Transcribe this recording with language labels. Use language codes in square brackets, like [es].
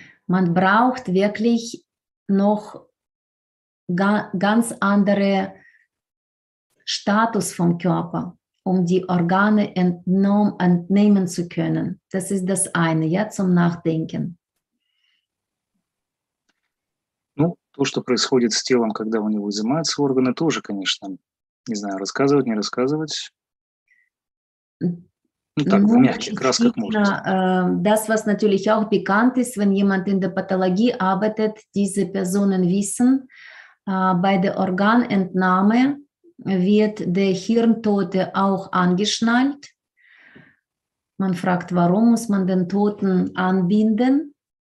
[de] Man braucht wirklich noch ganz andere Status vom Körper, um die Organe entnehmen zu können. Das ist das eine, ja, zum Nachdenken. [ru] То, что происходит с телом, когда у него изымаются органы, тоже, конечно, не знаю, рассказывать, не рассказывать. Ну, так, в мягких красках можно. [de] Das, was natürlich auch bekannt ist, wenn jemand in der Pathologie arbeitet, diese Personen wissen, bei der Organentnahme wird der Hirntote auch angeschnallt. Man fragt, warum muss man den Toten anbinden?